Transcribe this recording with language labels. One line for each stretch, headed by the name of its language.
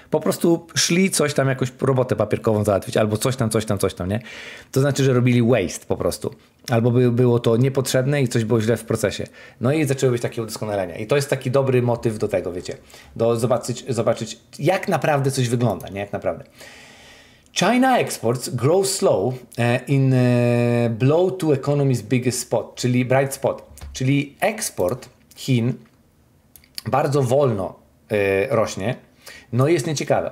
Polish: Po prostu szli coś tam, jakąś robotę papierkową załatwić, albo coś tam, nie? To znaczy, że robili waste po prostu. Albo było to niepotrzebne i coś było źle w procesie. No i zaczęły być takie udoskonalenia. I to jest taki dobry motyw do tego, wiecie, do zobaczyć, jak naprawdę coś wygląda, nie? Jak naprawdę.
English: China exports grow slow in blow to economy's biggest spot,
Polish: czyli
English: bright spot.
Polish: Czyli eksport Chin bardzo wolno rośnie. No i jest nieciekawe.